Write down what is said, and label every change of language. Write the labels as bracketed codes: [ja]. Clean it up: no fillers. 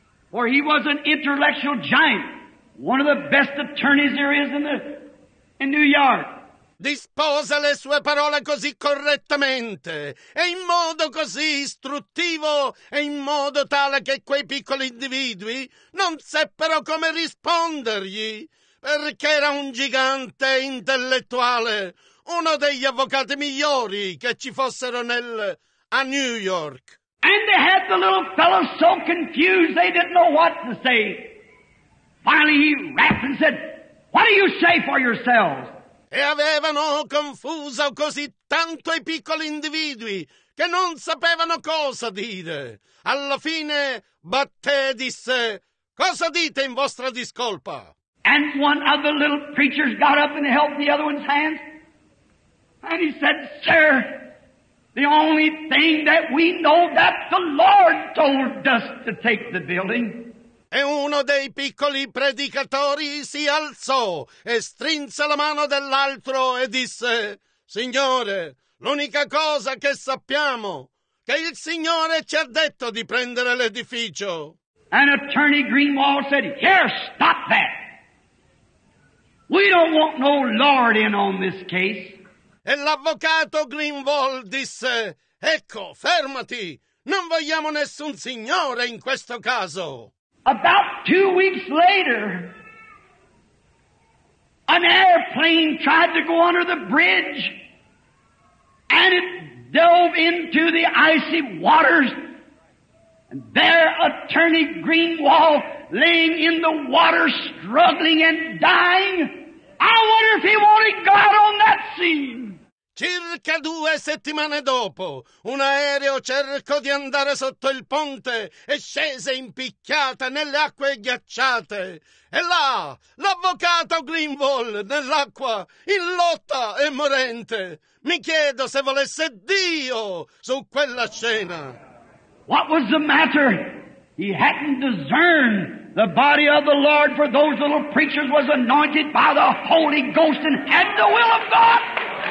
[en] For he was an intellectual giant, one of the best attorneys there is in New York. [it] Dispose le sue parole così correttamente e in modo così istruttivo e in modo tale che quei piccoli individui non seppero come rispondergli, perché era un gigante intellettuale, uno degli avvocati migliori che ci fossero a New York. [en] And they had the little fellow so confused they didn't know what to say. Finally he rapped and said, "What do you say for yourselves?" [it] E avevano confuso così tanto i piccoli individui che non sapevano cosa dire. Alla fine Batté disse, "Cosa dite in vostra discolpa?" [en] And one of the little preachers got up and held the other one's hand. And he said, "Sir, the only thing that we know that the Lord told us to take the building." [it] E uno dei piccoli predicatori si alzò e strinse la mano dell'altro e disse, "Signore, l'unica cosa che sappiamo è che il Signore ci ha detto di prendere l'edificio." [en] And Attorney Greenwald said, "Here, stop that. We don't want no Lord in on this case." [it] E l'avvocato Greenwald disse, "Ecco, fermati, non vogliamo nessun signore in questo caso." [en] About 2 weeks later, an airplane tried to go under the bridge, and it dove into the icy waters, and there Attorney Greenwald laying in the water struggling and dying. I wonder if he wanted God on that scene. [it] Circa 2 settimane dopo, un aereo cercò di andare sotto il ponte e scese impicchiata nelle acque ghiacciate. E là, l'avvocato Greenwald, nell'acqua, in lotta e morente. Mi chiedo se volesse Dio su quella scena. [en] What was the matter? He hadn't discerned the body of the Lord, for those little preachers was anointed by the Holy Ghost and had the will of God.